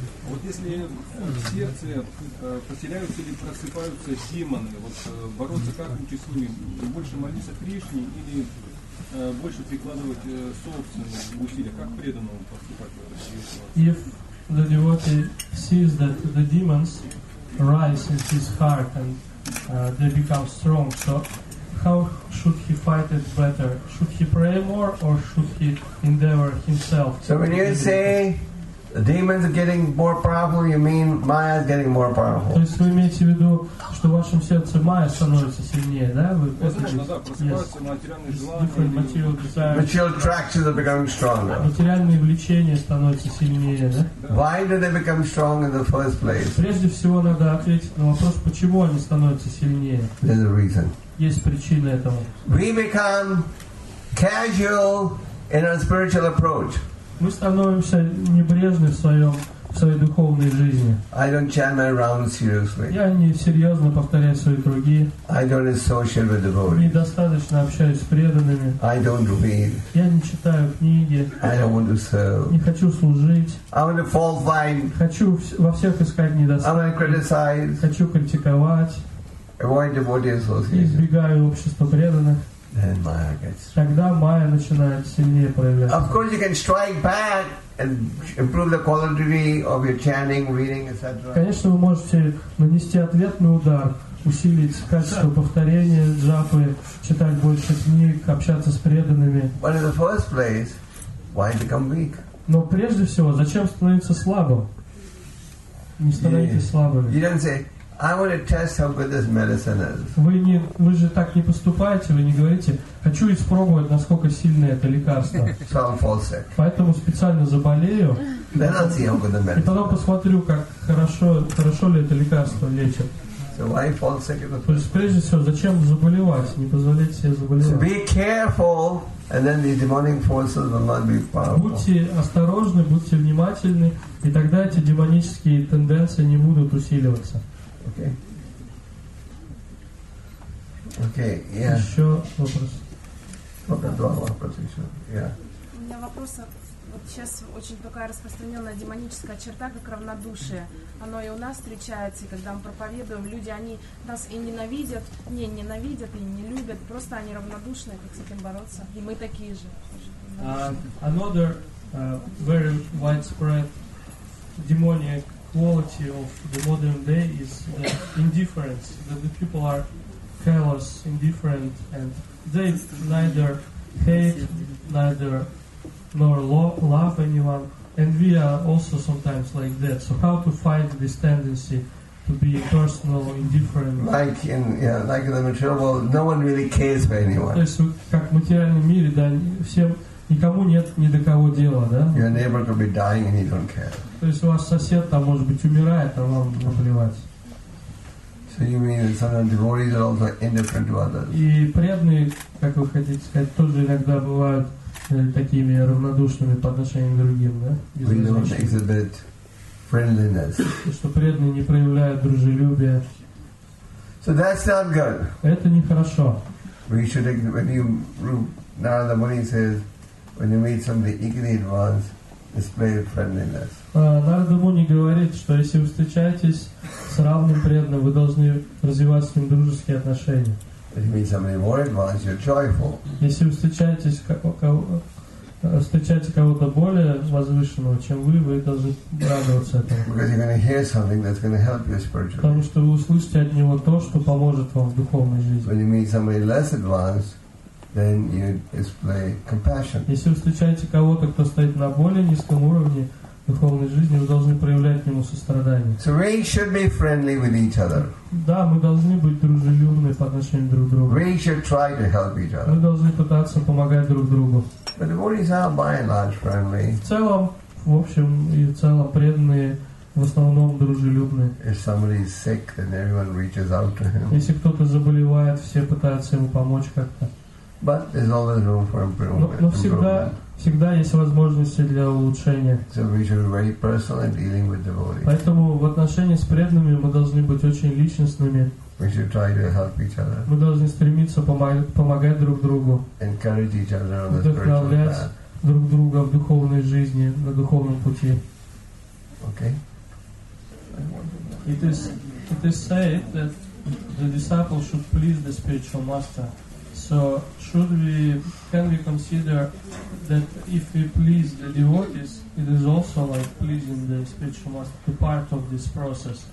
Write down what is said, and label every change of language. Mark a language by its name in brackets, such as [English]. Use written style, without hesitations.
[Russian] Вот если в сердце поселяются или просыпаются демоны, вот бороться как лучше с ними? Больше молиться Кришне или больше прикладывать собственные усилия? Как преданному поступать? [English] If the devotee sees that the demons rise in his heart and they become strong, so how should he fight it better? Should he pray more or should he endeavor himself? So when you say the demons are getting more powerful, you mean Maya is getting more powerful. [Russian] То есть вы имеете в виду, что в вашем сердце Maya становится сильнее, да? [English] Different material desires. Material attractions are becoming stronger. [Russian] Материальные влечения становятся сильнее, да? [English] Why do they become strong in the first place? [Russian] Прежде всего надо ответить на вопрос, почему они становятся сильнее. [English] There's a reason. [Russian] Есть причина этому. [English] We become casual in our spiritual approach. [Russian] Мы становимся небрежны в своей духовной жизни. [English] I don't chant my rounds seriously. [Russian] Я не серьезно повторяю свои круги. [English] I don't associate with devotees. [Russian] Недостаточно общаюсь с преданными. [English] I don't read. [Russian] Я не читаю книги. [English] I don't want to serve. [Russian] Не хочу служить. [English] I want to fall fine. [Russian] Хочу во всех искать недостатки. [English] I want to criticize. [Russian] Хочу критиковать. [English] Avoid devotee association. [Russian] Избегаю общества преданных. [English] Then Maya gets. [Russian] Тогда Maya начинает сильнее проявляться. [English] Of course, you can strike back and improve the quality of your chanting, reading, etc. [Russian] Конечно, вы можете нанести ответный удар, усилить качество повторения джапы, читать больше книг, общаться с преданными. [English] But in the first place, why become weak? [Russian] Но прежде всего, зачем становиться слабым? Не становитесь слабыми. [English] You don't say, I want to test how good this medicine is. [Russian] Вы же так не поступаете, вы не говорите, хочу испробовать, насколько сильное это лекарство. [English] So I'm fall sick. [Russian] Поэтому специально заболею. [English] Then I'll see how good the medicine. [Russian] И потом посмотрю, как хорошо ли это лекарство лечит. [English] So why fall sick? [Russian] То есть прежде всего, зачем заболевать? Не позволяйте себе заболевать. [English] So be careful And then the demonic forces will not be powerful. [Russian] Будьте осторожны, будьте внимательны, и тогда эти демонические тенденции не будут усиливаться. [English] Okay. Okay. Yeah. [Russian] Еще вопрос. [English] Yeah. [Russian] У меня вопрос, вот сейчас очень такая распространенная демоническая черта, как равнодушие. Оно и у нас встречается, и когда мы проповедуем, люди, они нас и ненавидят, не ненавидят и не любят, просто они равнодушны, как с этим бороться. И мы такие же. [English] Another very widespread demonic quality of the modern day is the indifference, that the people are callous, indifferent, and they neither hate, neither nor love anyone, and we are also sometimes like that. So how to fight this tendency to be personal, indifferent? Like in the material world, no one really cares for anyone. [Russian] То есть как в материальном мире, да, всем никому нет ни до кого дела, да? [English] Your neighbor could be dying and you don't care. [Russian] То есть у вас сосед там может быть умирает, а вам наплевать. [English] So you mean that sometimes devotees are also indifferent to others? [Russian] И преданные, как вы хотите сказать, тоже иногда бывают такими равнодушными по отношению к другим, да? [English] We don't exhibit friendliness. [Russian] Что преданные не проявляют дружелюбия. [English] So that's not good. [Russian] Это нехорошо. [English] We should, when you, Narada Muni says, when you meet some of the ignorant ones, display friendliness. [Russian] Нарада Муни говорит, что если вы встречаетесь с равным преданным, вы должны развивать с ним дружеские отношения. [English] If you meet somebody more advanced, you're joyful. [Russian] Если вы встречаете кого-то более возвышенного, чем вы должны радоваться этому. [English] Because you're going to hear something that's going to help you spiritually. [Russian] Потому что вы услышите от него то, что поможет вам в духовной жизни. [English] When you meet somebody less advanced, then you display compassion. [Russian] Если вы встречаете кого-то, кто стоит на более низком уровне духовной жизни, вы должны проявлять к нему сострадание. [English] So we should be friendly with each other. [Russian] Да, мы должны быть дружелюбны по отношению друг к другу. [English] We should try to help each other. [Russian] Мы должны пытаться помогать друг другу. [English] But devotees are by and large friendly. [Russian] В целом, в общем и в целом, преданные в основном дружелюбны. [English] If somebody is sick, then everyone reaches out to him. [Russian] Если кто-то заболевает, все пытаются ему помочь как-то. [English] But there's always room for improvement. [Russian] Но всегда, всегда есть возможности для улучшения. [English] So we should be very personal in dealing with devotees. [Russian] Поэтому в отношении с преданными мы должны быть очень личностными. [English] We should try to help each other. [Russian] Мы должны стремиться помогать друг другу. [English] Encourage each other on the spiritual path. [Russian] Вдохновлять друг друга в духовной жизни, на духовном пути. [English] Okay. It is said that the disciple should please the spiritual master. So should we, can we consider that if we please the devotees, it is also like pleasing the spiritual master, the part of this process?